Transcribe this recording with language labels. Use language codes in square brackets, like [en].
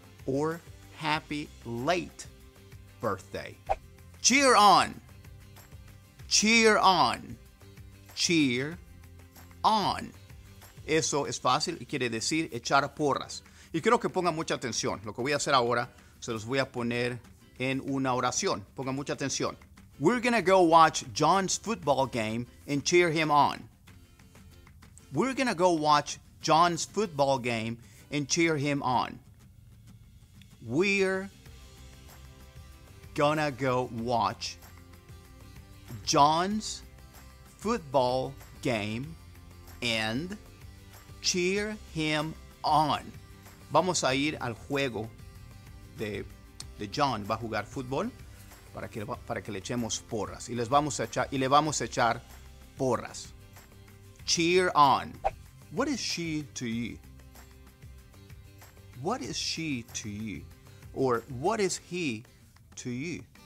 [en] Or happy late birthday. Cheer on. Cheer on. Cheer on. [es] Eso es fácil y quiere decir echar porras. Y quiero que pongan mucha atención. Lo que voy a hacer ahora, se los voy a poner en una oración. Pongan mucha atención. [en] We're gonna go watch John's football game and cheer him on. We're gonna go watch John's football game and cheer him on. We're gonna go watch John's football game and cheer him on. [es] Vamos a ir al juego de John. Va a jugar fútbol para que le echemos porras. Y le vamos a echar porras. [en] Cheer on. What is she to you? What is she to you? Or what is he to you?